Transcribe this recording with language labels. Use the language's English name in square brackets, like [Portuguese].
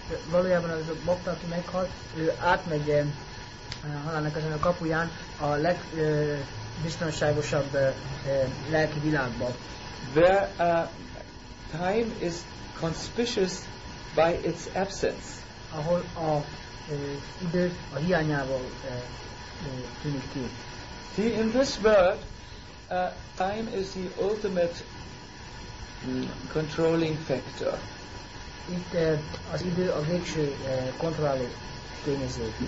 [Hungarian] Valójában az a bhakta, aki meghalt, ő átmegy a halálnak ezen a kapuján a legbiztonságosabb lelki világba. [English] Where time is conspicuous by its absence. [Hungarian] Ahol a idő a hiányával tűnik ki. [English] See, in this world, time is the ultimate controlling factor. [Hungarian] Itt az idő a végső kontrolláló tényező.